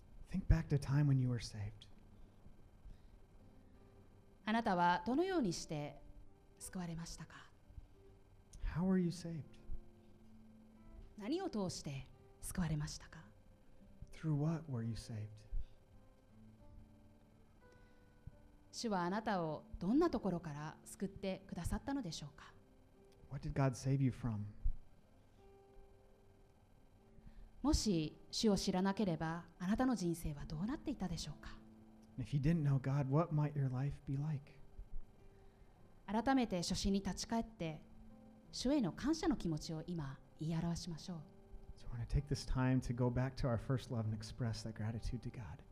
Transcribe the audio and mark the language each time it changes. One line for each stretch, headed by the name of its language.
English: Think back to time when you were saved.
Japanese: あなたはどのようにして救われましたか?
English: How were you saved?
Japanese: 何を通して救われましたか?
English: Through what were you saved?
Japanese: 主はあなたをどんなところから救ってくださったのでしょうか?
English: What did God save you from?
Japanese: もし主を知らなければあなたの人生はどうなっていたでしょうか?
English: If you didn't know God, what might your life be like?
Japanese: 改めて初心に立ち返って主への感謝の気持ちを今言い表しましょう。
English: So we're going to take this time to go back to our first love and express that gratitude to God.